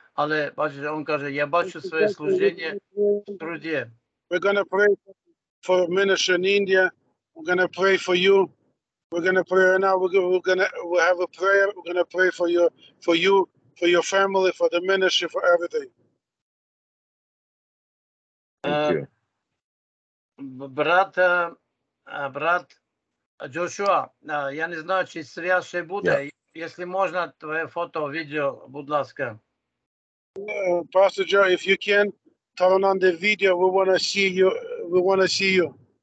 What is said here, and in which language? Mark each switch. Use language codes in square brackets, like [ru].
[uk] Але, бачите, он каже, я бачу своє служіння в труді. [en] We're going to pray for a minister in India. We're going to pray for you. We're going to pray right now. We have a prayer. We're going to pray for you, for your family, for the ministry, for everything. [uk] Брат Джошуа, я не знаю, чи связь ще буде. [en] Yeah. [ru] Если можно, твое фото, видео, [uk] будь ласка. [en] Pastor Joe, if you can, turn on the video. We want to see you. We want to see you.